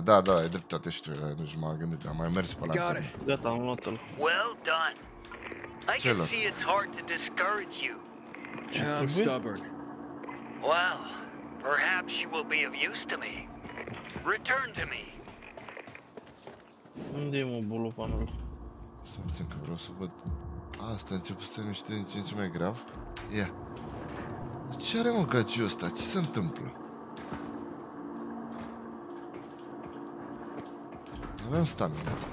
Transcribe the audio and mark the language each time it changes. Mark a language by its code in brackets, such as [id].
[ro] Da, da, e dreptate, știu, nu știu, m-am gândit, am mai mers pe lanternă. Gata, am luat-o. [en] Well done. I can see it's hard to discourage you. I'm stubborn. Well, perhaps you will be of use to me. Return to me. [ro] Unde e, mă, bolovanul? Stai puțin că vreau să văd. Asta începe să miște din ce în ce mai grav. Ia. Ce are mă găciul ăsta? Ce se întâmplă? Avem stamina.